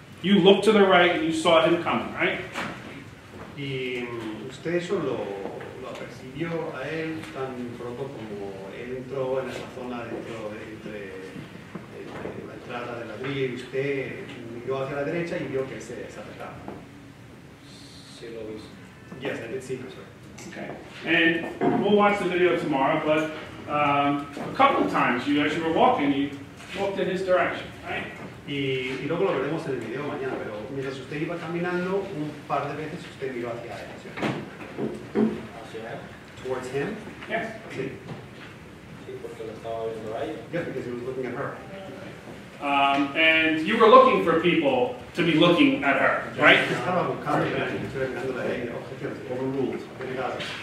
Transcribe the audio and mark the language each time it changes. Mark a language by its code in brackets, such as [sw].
[en] You looked to the right and you saw him coming, right? [es] Y usted eso lo percibió a él tan pronto como él entró en esa zona dentro de entre la entrada de la villa y usted miró hacia la derecha y vio que se acercaba. Sí, lo vi. [en] Yes, I did see him, sir. Okay. And we'll watch the video tomorrow, but a couple of times you, as you were walking, you looked in his direction, right? [es] Y luego lo veremos en el video mañana, pero mientras usted iba caminando, un par de veces usted miró hacia él, ¿cierto? ¿Hacia él? [en] ¿Towards him? Yes. [es] Sí. Sí, porque lo estaba viendo ahí. [en] Yes, because he was looking at her. And you were looking for people to be looking at her, right? [es] Yo estaba buscando a alguien, estoy mirando a ella, objeciones, overruled, obligado.